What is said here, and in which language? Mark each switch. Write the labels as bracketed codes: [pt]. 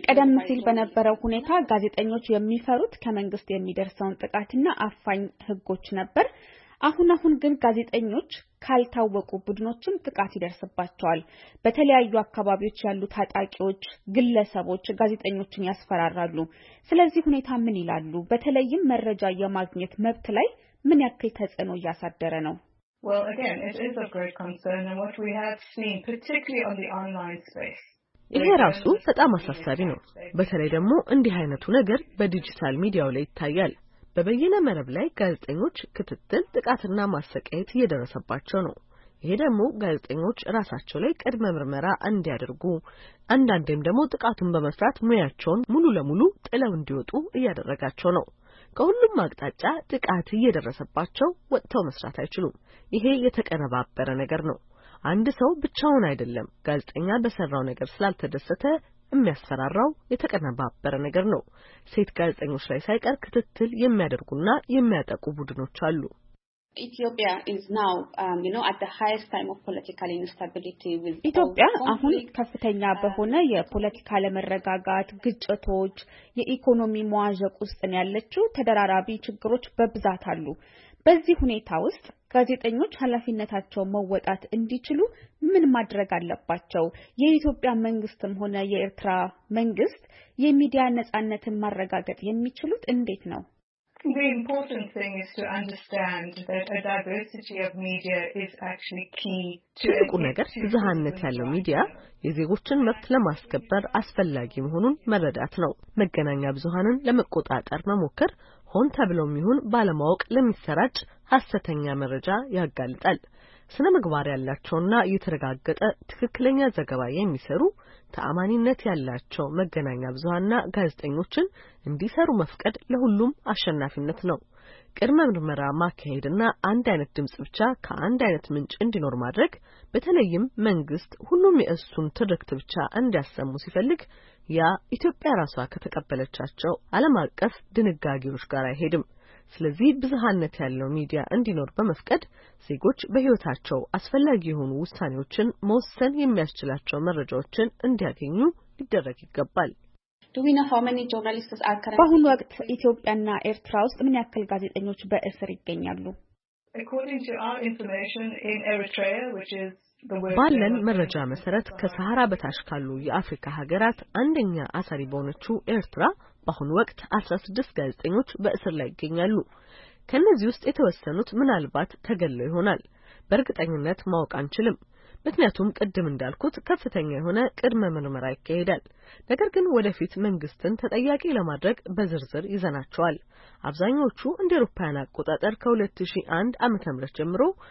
[am] ቀደም ሲል በነበረው ሁኔታ ጋዜጠኞች የሚፈሩት ከመንግስት የሚደርሰውን ጥቃትና አፋኝ ሕጎች ነበር። አሁን ግን ጋዜጠኞች ካልታወቁ ቡድኖችም ጥቃት ይደርስባቸዋል። በተለያዩ አካባቢዎች ያሉ ታጣቂዎች ግለሰቦች ጋዜጠኞችን ያስፈራራሉ። ስለዚህ ሁኔታ ምን ይላሉ? በተለይም መረጃ የማግኘት መብት ላይ ምን ያክል ተጽዕኖ ያሳደረ ነው? [en] Well again it is a great concern and what we have seen particularly on the online space [am] ይሄ ራሱ በጣም አሳሳቢ ነው። በተለይ ደግሞ እንዲህ አይነቱ ነገር በዲጂታል ሚዲያው ላይ ይታያል። በበየነ መረብ ላይ ጋዜጠኞች ክትትል ጥቃትና ማሰቃየት እየደረሰባቸው ነው። ይሄ ደግሞ ጋዜጠኞች ራሳቸው ላይ ቅድመ ምርመራ እንዲያደርጉ አንዳንዴም ደግሞ ጥቃቱን በመፍራት ሙያቸውን ሙሉ ለሙሉ ጥለው እንዲወጡ እያደረጋቸው ነው። ከሁሉም አቅጣጫ ጥቃት እየደረሰባቸው ወጥተው መስራት አይችሉም። ይሄ የተቀነባበረ ነገር ነው። አንድ ሰው ብቻውን አይደለም ጋዜጠኛ በሰራው ነገር ስላልተደሰተ የሚያስፈራራው የተቀነባበረ ነገር ነው። ሴት ጋዜጠኞች ላይ ሳይቀር ክትትል የሚያደርጉና የሚያጠቁ ቡድኖች አሉ። [en] Ethiopia is now at the highest time of political instability with [am] ኢትዮጵያ አሁን ከፍተኛ በሆነ የፖለቲካ ለመረጋጋት ግጭቶች የኢኮኖሚ መዋዠቅ ውስጥ ነው ያለችው። ተደራራቢ ችግሮች በብዛት አሉ። በዚህ ሁኔታ ውስጥ ጋዜጠኞች ኃላፊነታቸውን መወጣት እንዲችሉ ምን ማድረግ አለባቸው? የኢትዮጵያ መንግስትም ሆነ የኤርትራ መንግስት የሚዲያ ነጻነትን ማረጋጋት የሚችሉት እንዴት ነው? [en] The important thing is to understand that a diversity of media is actually key to [am] ትልቁ ነገር ብዝሃነት ያለው ሚዲያ የዜጎችን መብት ለማስከበር አስፈላጊ መሆኑን መረዳት ነው። መገናኛ ብዙሃንን ለመቆጣጠር መሞከር ሆን ተብሎም ይሁን ባለማወቅ ለሚሰራጭ ሐሰተኛ መረጃ ያጋልጣል። ስነ ምግባር ያላቸውና የተረጋገጠ ትክክለኛ ዘገባ የሚሰሩ ተአማኒነት ያላቸው መገናኛ ብዙሃንና ጋዜጠኞችን እንዲሰሩ መፍቀድ ለሁሉም አሸናፊነት ነው። ቅድመ ምርመራ ማካሄድና አንድ አይነት ድምጽ ብቻ ከአንድ አይነት ምንጭ እንዲኖር ማድረግ፣ በተለይም መንግስት ሁሉም የእሱን ትርክት ብቻ እንዲያሰሙ ሲፈልግ ያ ኢትዮጵያ ራሷ ከተቀበለቻቸው ዓለም አቀፍ ድንጋጌዎች ጋር አይሄድም። ስለዚህ ብዝሃነት ያለው ሚዲያ እንዲኖር በመፍቀድ ሲጎች በህይወታቸው አስፈላጊ የሆኑ ውሳኔዎችን መወሰን የሚያስችላቸው መረጃዎችን እንዲያገኙ ሊደረግ ይገባል። በአሁኑ ወቅት ኢትዮጵያና ኤርትራ ውስጥ ምን ያክል ጋዜጠኞች በእስር ይገኛሉ? [en] According to our information in Eritrea, which is [am] ባለን መረጃ መሰረት ከሳሃራ በታች ካሉ የአፍሪካ ሀገራት አንደኛ አሳሪ በሆነችው ኤርትራ በአሁን ወቅት 16 ጋዜጠኞች በእስር ላይ ይገኛሉ። ከነዚህ ውስጥ የተወሰኑት ምናልባት ተገለው ይሆናል። በእርግጠኝነት ማወቅ አንችልም። ምክንያቱም ቀደም እንዳልኩት ከፍተኛ የሆነ ቅድመ ምርመራ ይካሄዳል። ነገር ግን ወደፊት መንግስትን ተጠያቂ ለማድረግ በዝርዝር ይዘናቸዋል። አብዛኞቹ እንደ አውሮፓውያን አቆጣጠር ከ2001 ዓመተ ምህረት ጀምሮ